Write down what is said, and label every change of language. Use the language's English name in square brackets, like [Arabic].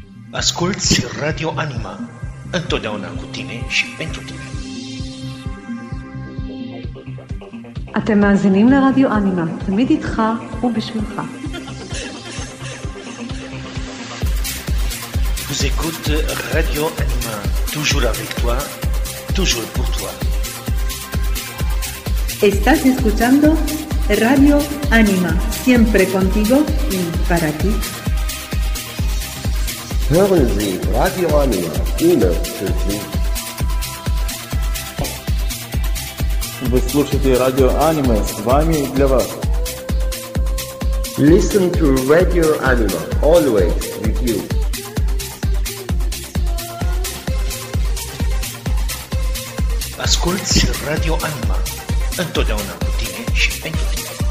[Romanian] Asculți Radio Anima, întotdeauna cu tine și pentru tine. [Hebrew] אתם מאזינים לרדיו אנימה, תמיד איתך ובשבילך. [French] Vous écoutez Radio Anima, toujours avec toi, toujours pour toi. [Spanish] Estás escuchando Radio Anima, siempre contigo y para ti. [German] Hören Sie Radio Anima, immer für Sie. [Russian] Вы слушаете Радио Аниме, с вами и для вас. [English] Listen to Radio Anima, always with you. [Romanian] Asculți Radio Anima, întotdeauna cu tine și pentru tine.